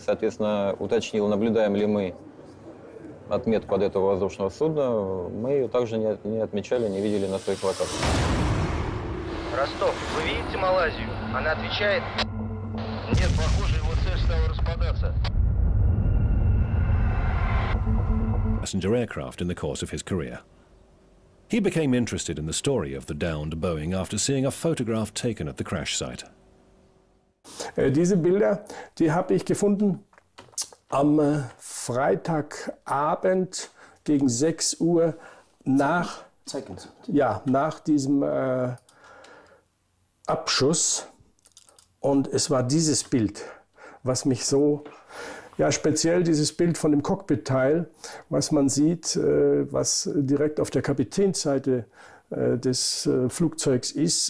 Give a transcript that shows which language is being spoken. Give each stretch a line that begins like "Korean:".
Russian: Соответственно, уточнил, наблюдаем ли мы отметку от этого воздушного судна. Мы ее также не отмечали, не видели на своих локациях. Ростов, вы видите Малайзию? Она отвечает? Нет, похоже, его цель стала распадаться.
English: Passenger aircraft in the course of his career. He became interested in the story of the downed Boeing after seeing a photograph taken at the crash site.
German: Diese Bilder, die habe ich gefunden am Freitagabend gegen 6 Uhr nach, ja, nach diesem Abschuss. Und es war dieses Bild, was mich so... Ja, speziell dieses Bild von dem Cockpit-Teil, was man sieht, was direkt auf der Kapitänsseite des Flugzeugs ist.